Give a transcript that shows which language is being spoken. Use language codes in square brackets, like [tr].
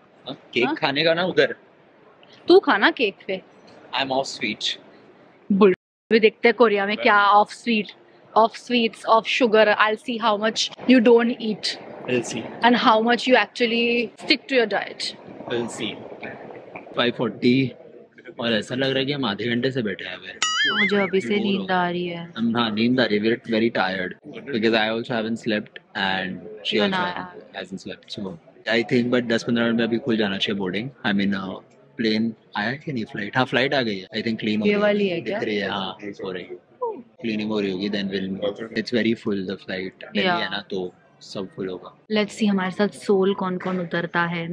[hi] Cake खाने का ना उधर. तू खाना केक पे. [en] I am off sweet. [hi] भी देखते हैं कोरिया में क्या [en] off sweet, off sweets, off sugar. I'll see how much you don't eat. We'll see. And how much you actually stick to your diet. We'll see. [hi] 5:40 और ऐसा लग रहा है कि हम आधे घंटे से बैठे हैं फिर. मुझे अभी से नींद आ रही है. हाँ नींद आ रही है. [en] We're very tired because I also haven't slept and she also hasn't slept. So I think but [hi] 10-15 minute में अभी खुल जाना चाहिए boarding. [en] I mean [hi] plane आया कि नहीं flight. हाँ flight आ गई है. [en] I think clean [hi] ये वाली है क्या? दिख रही है. हाँ हो रही है. [en] Cleaning [hi] हो रही होगी [en] then we'll. It's very full the flight. Yeah. [hi] ना तो सब full होगा. Let's see हमारे साथ soul कौन-कौन उतरता है.